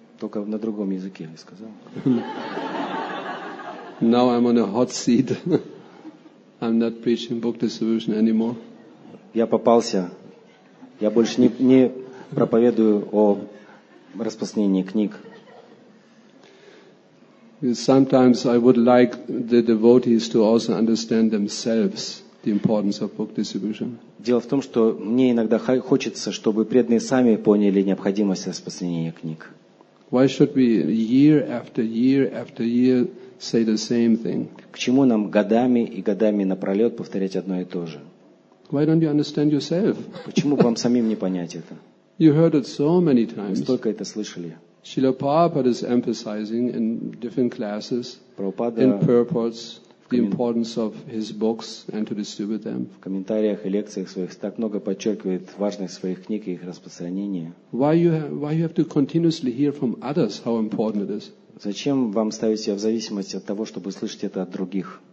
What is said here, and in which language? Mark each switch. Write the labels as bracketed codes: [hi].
[ru] Только на другом языке я сказал. [en] Now I'm on a hot seat. I'm not preaching book distribution anymore. [ru] Я попался. Я больше не проповедую о распространении книг. [en] Sometimes I would like the devotees to also understand themselves the importance of book distribution. [ru] Дело в том, что мне иногда хочется, чтобы преданные сами поняли необходимость распространения книг. [en] Why should we year after year after year say the same thing? [ru] К чему нам годами и годами напролет повторять одно и то же? [en] Why don't you understand yourself? [ru] Почему вам самим не понять это? [en] You heard it so many times. [ru] Вы столько это слышали. [en] Srila Prabhupada is emphasizing in different classes, in purports, the importance of his books and to distribute them. [ru] В комментариях и лекциях своих так много подчеркивает важность своих книг и их распространения. [en] Why you have to continuously hear from others how important it is? [ru] Зачем вам ставить себя в зависимость от того, чтобы слышать это от других?